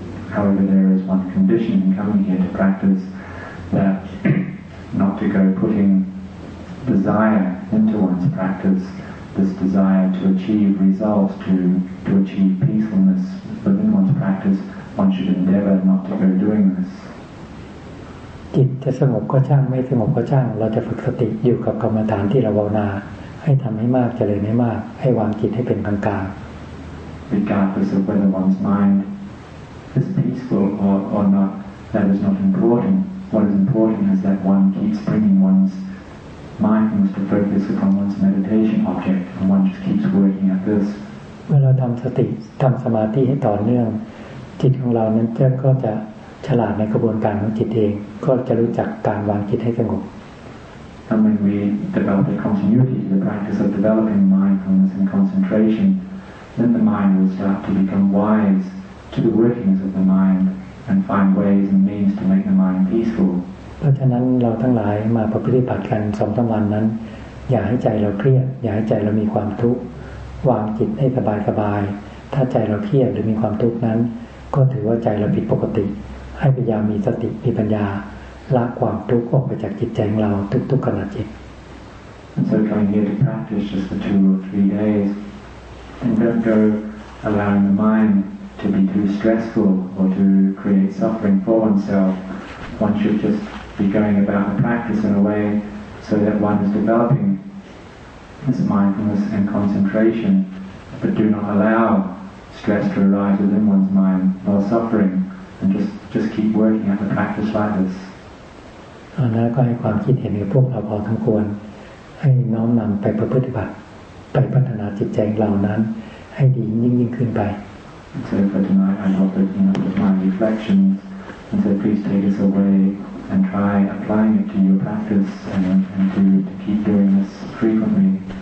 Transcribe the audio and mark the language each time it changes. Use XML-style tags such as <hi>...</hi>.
<en>However there is one condition in coming here to practice that not to go putting desire into one's practice this desire to achieve results to achieve peacefulnessWithin one's practice, one should endeavor not to go doing this.</en> <th>จิตจะสงบก็ช่างไม่สงบก็ช่างเราจะฝึกสติอยู่กับกรรมฐานที่เราภาวนาให้ทำให้มากเจริญให้มากให้วางจิตให้เป็นกลางกลาง</th> <en>Regardless of whether one's mind is peaceful or not, that is not important. What is important is that one keeps bringing one's mindfulness to focus upon one's meditation object, and one just keeps working at this.</en> <th>เมื่อเราทำสติทำสมาธิให้ต่อเนื่องจิตของเรานั้นก็จะฉลาดในกระบวนการของจิตเองก็จะรู้จักการวางจิตให้สงบ</th> <en>And when we develop a continuity to the practice of developing mindfulness and concentration then the mind will start to become wise to the workings of the mind and find ways and means to make the mind peaceful</en> <th>เพราะฉะนั้นเราทั้งหลายมาปฏิบัติกัน 2-3 วันนั้นอย่าให้ใจเราเครียดอย่าให้ใจเรามีความทุกข์วางจิตให้สบายๆถ้าใจเราเครียดหรือมีความทุกข์นั้นก็ถือว่าใจเราผิดปกติให้พยายามมีสติมีปัญญาละความทุกข์ออกไปจากจิตใจของเราทุกๆขณะจิต</th> <en>And so coming here to practice just for 2 or 3 days and don't go allowing the mind to be too stressful or to create suffering for oneself one should just be going about the practice in a way so that one is developingThis mindfulness and concentration, but do not allow stress to arise within one's mind or suffering, and just keep working at the practice like this. And then,</en> <th>ก็ให้ความคิดเห็นในพวกเราพอสมควรให้น้อมนำไปปฏิบัติไปพัฒนาจิตใจเหล่านั้นให้ดียิ่งขึ้นไป</th> <en>So for tonight, I hope that you know my reflections, and so please take us away. And try applying it to your practice and to keep doing this frequently.</en>